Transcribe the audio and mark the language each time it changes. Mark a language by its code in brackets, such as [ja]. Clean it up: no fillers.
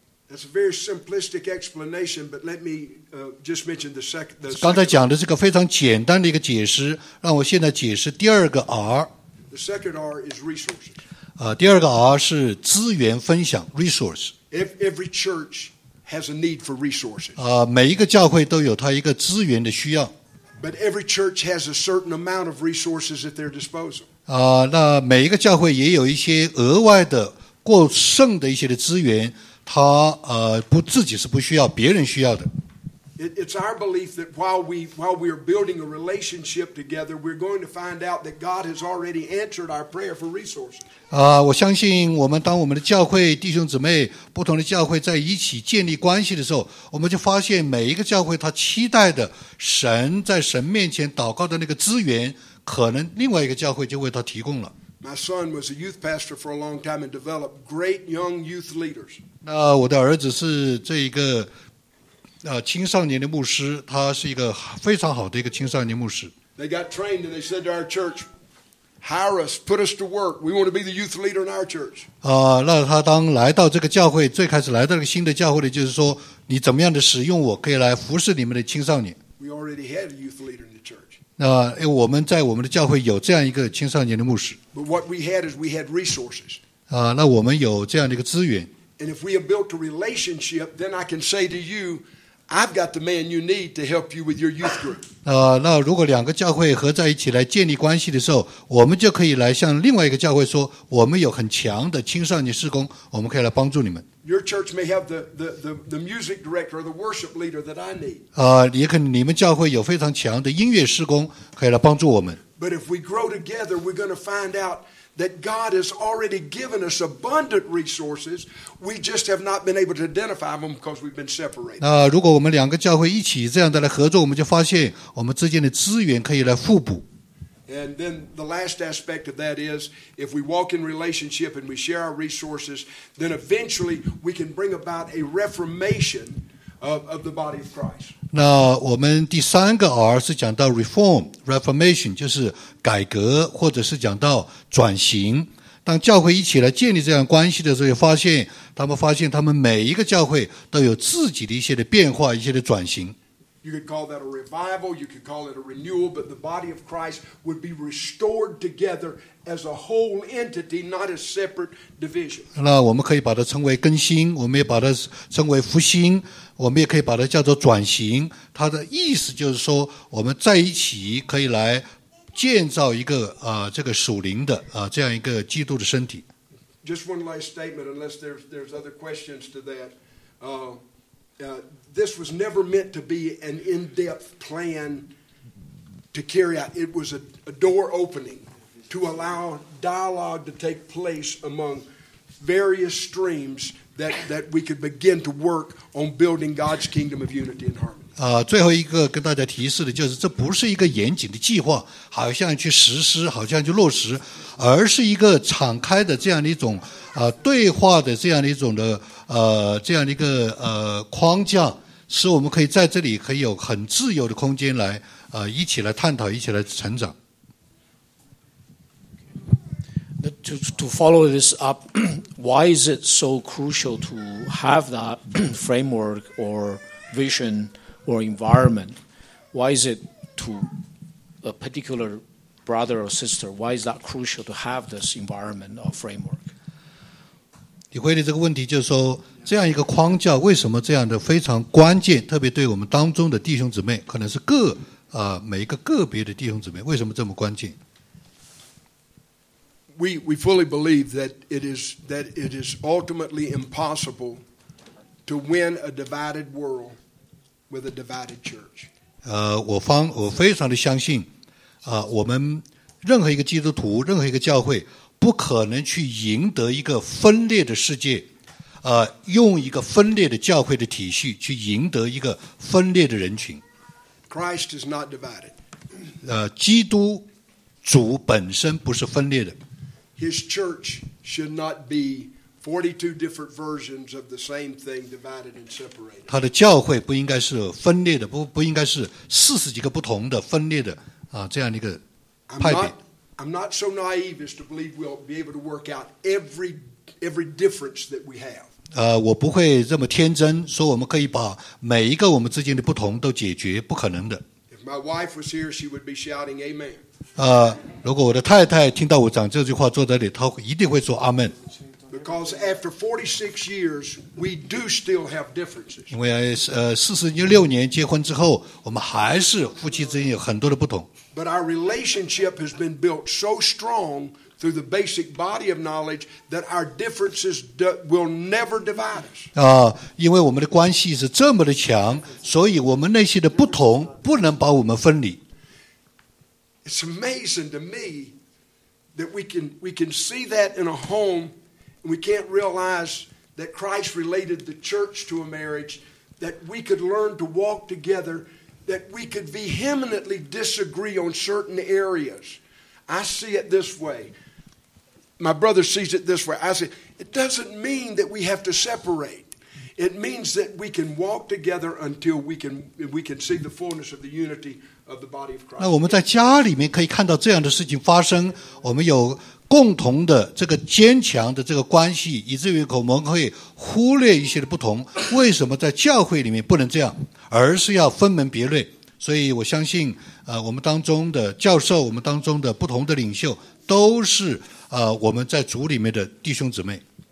[en] That's a very simplistic explanation, but let me just mention the second. [zh] 刚才讲的是个非常简单的一个解释，让我现在解释第二个 R。 [en] The second R is resources. [zh] 第二个 R 是资源分享 resource. [en] If every church. Has a need for resources. [zh] 每一个教会都有它一个资源的需要。 [en] But every church has a certain amount of resources at their disposal. [zh] 那每一个教会也有一些额外的过剩的一些的资源，它不自己是不需要，别人需要的。 [en] It's our belief that while we are building a relationship together, we're going to find out that God has already answered our prayer for resources. [zh] 我相信我们当我们的教会弟兄姊妹不同的教会在一起建立关系的时候，我们就发现每一个教会他期待的神在神面前祷告的那个资源，可能另外一个教会就为他提供了。 [en] My son was a youth pastor for a long time and developed great young youth leaders. [zh] 那我的儿子是这一个。青少年的牧师，他是一个非常好的一个青少年牧师。 [en] They got trained and they said to our church, "Hire us, put us to work. We want to be the youth leader in our church." [zh] 那他当来到这个教会，最开始来到这个新的教会的，就是说，你怎么样的使用我，可以来服侍你们的青少年。 [en] We already had a youth leader in the church. [zh] 因为我们在我们的教会有这样一个青少年的牧师。 [en] But what we had is we had resources. [zh] 那我们有这样的一个资源。 [en] And if we have built a relationship, then I can say to you. I've got the man you need to help you with your youth group. [zh] 那如果两个教会合在一起来建立关系的时候，我们就可以来向另外一个教会说，我们有很强的青少年事工，我们可以来帮助你们。 [en] Your church may have the music director or the worship leader that I need. [zh] 也可能你们教会有非常强的音乐事工，可以来帮助我们。 [en] But if we grow together, we're going to find out. That God has already given us abundant resources, we just have not been able to identify them because we've been separated. [zh] 如果我们两个教会一起这样的来合作，我们就发现我们之间的资源可以来互补。 [en] And then the last aspect of that is if we walk in relationship and we share our resources, then eventually we can bring about a reformation of the body of Christ. [zh] 那我们第三个 R 是讲到 [en] reform, reformation, [zh] 就是改革或者是讲到转型。当教会一起来建立这样关系的时候，发现他们每一个教会都有自己的一些的变化，一些的转型。 [en] You could call that a revival, you could call it a renewal, but the body of Christ would be restored together as a whole entity, not a separate division. [zh] 那我们可以把它称为更新，我们也把它称为复兴，我们也可以把它叫做转型。它的意思就是说，我们在一起可以来建造一个这个属灵的这样一个基督的身体。 [en] Just one last statement, unless there's other questions to that. This was never meant to be an in-depth plan to carry out. It was a door opening to allow dialogue to take place among various streams that we could begin to work on building God's kingdom of unity and harmony. [zh] 最后一个跟大家提示的就是这不是一个严谨的计划，好像去实施，好像去落实，而是一个敞开的这样的一种对话的这样的一种的这样的一个框架，使我们可以在这里可以有很自由的空间来一起来探讨，一起来成长。 [en] To follow this up, why is it so crucial to have that framework or vision or environment? Why is it to a particular brother or sister? Why is that crucial to have this environment or framework? [zh] 你回答这个问题就是说，这样一个框架为什么这样的非常关键，特别对我们当中的弟兄姊妹，可能是每一个个别的弟兄姊妹，为什么这么关键？ [en] We fully believe that it is ultimately impossible to win a divided world with a divided church. [zh] 我非常的相信，我们任何一个基督徒，任何一个教会，不可能去赢得一个分裂的世界，用一个分裂的教会的体系去赢得一个分裂的人群。 [en] Christ is not divided. [zh] 基督主本身不是分裂的。 [en] His church should not be 42 different versions of the same thing divided and separated. [zh] 他的教会不应该是分裂的，不应该是四十几个不同的分裂的这样一个派别。 [en] I'm not so naive as to believe we'll be able to work out every difference that we have. [zh] 我不会这么天真，说我们可以把每一个我们之间的不同都解决，不可能的。 [en] If my wife was here, she would be shouting amen. [zh] 如果我的太太听到我讲这句话坐在这里，她一定会说阿门。 [en] Because after 46 years, we do still have differences. [zh] 因为46年结婚之后，我们还是夫妻之间有很多的不同。 [en] But our relationship has been built so strong through the basic body of knowledge that our differences will never divide us. [zh] 因为我们的关系是这么的强，所以我们那些的不同不能把我们分离。 [en] It's amazing to me that we can see that in a home, and we can't realize that Christ related the church to a marriage, that we could learn to walk together. That we could vehemently disagree on certain areas. I see it this way. My brother sees it this way. I say, it doesn't mean that we have to separate. It means that we can walk together until we can see the fullness of the unity of the body of Christ. [zh] 那我们在家里面可以看到这样的事情发生，我们有共同的这个坚强的这个关系，以至于我们可以忽略一些的不同。为什么在教会里面不能这样，而是要分门别类？所以我相信，我们当中的教授，我们当中的不同的领袖，都是我们在主里面的弟兄姊妹。